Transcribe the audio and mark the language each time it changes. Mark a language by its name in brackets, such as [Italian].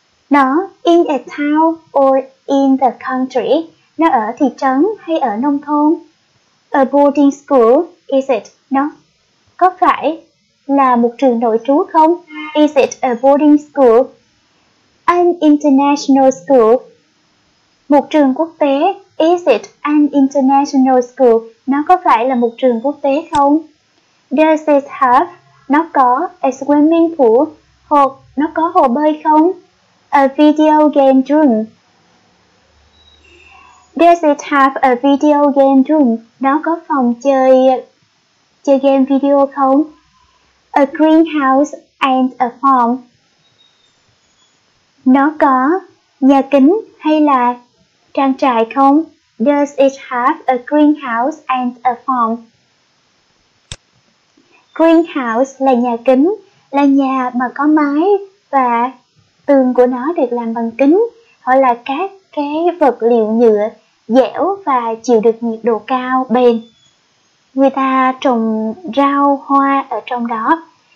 [Vietnamese] Nó [English] in a town or in the country? [Vietnamese] Nó ở thị trấn hay ở nông thôn? [English] A boarding school? Is it? [Vietnamese] Nó có phải là một trường nội trú không? [English] Is it a boarding school? An international school? [Vietnamese] Một trường quốc tế. [English] Is it an international school? [Vietnamese] Nó có phải là một trường quốc tế không? [English] Does it have? [Vietnamese] Nó có [English] a swimming pool? [Vietnamese] Hoặc nó có hồ bơi không? [English] A video game room? Does it have a video game room? [Vietnamese] Nó có phòng chơi game video không? [English] A greenhouse and a farm? [Vietnamese] Nó có nhà kính hay là trang trại không? [English] Does it have a greenhouse and a farm? [Vietnamese] Greenhouse là nhà kính, là nhà mà có mái và tường của nó được làm bằng kính, hoặc là các cái vật liệu nhựa dẻo và chịu được nhiệt độ cao, bền. Người ta trồng rau, hoa ở trong đó.